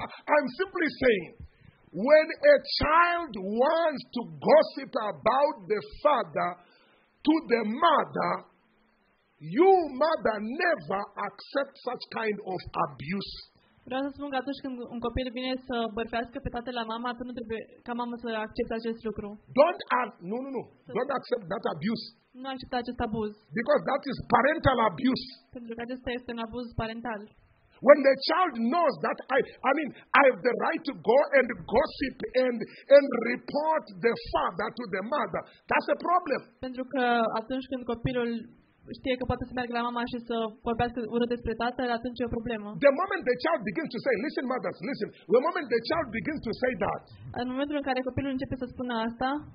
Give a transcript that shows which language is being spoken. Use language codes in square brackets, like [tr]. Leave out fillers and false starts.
[en] I'm simply saying, when a child wants to gossip about the father to the mother, you, mother, never accept such kind of abuse. [ro] Vreau să spun că atunci când un copil vine să bărfească pe tatăl la mama, tu nu trebuie ca mamă să accepte acest lucru. [en] Don't don't accept that abuse. [ro] Nu accepta acest abuz. [en] Because that is parental abuse. [ro] Pentru că acesta este un abuz parental. [en] When the child knows that I have the right to go and gossip and report the father to the mother, that's a problem. [ro] Pentru că atunci când copilul știe că poate să meargă la mama și să vorbească urât despre tată, atunci e o problemă. [en] The moment the child begins to say, listen, mothers, listen. The moment the child begins to say that. [ro] În momentul în care copilul începe să spună asta,